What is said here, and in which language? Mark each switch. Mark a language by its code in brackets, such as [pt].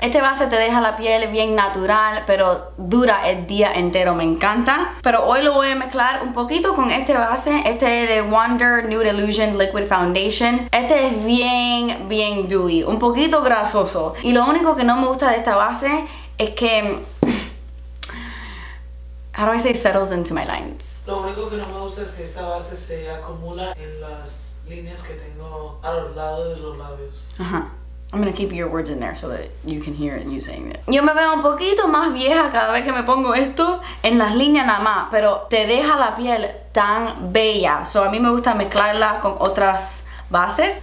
[es] Este base te deja la piel bien natural, pero dura el día entero. Me encanta. Pero hoy lo voy a mezclar un poquito con este base. Este es el Wonder Nude Illusion Liquid Foundation. Este es bien Dewy. Un poquito grasoso. Y lo único que no me gusta de esta base es que... [en] How do I say settles into my lines? [es] Lo único que no me gusta es que esta base se acumula en las líneas que tengo a los lados de los labios. Ajá. [en] I'm gonna keep your words in there so that you can hear you saying it. [es] Yo me veo un poquito más vieja cada vez que me pongo esto en las líneas nada más, pero te deja la piel tan bella. So a mí me gusta mezclarla con otras bases.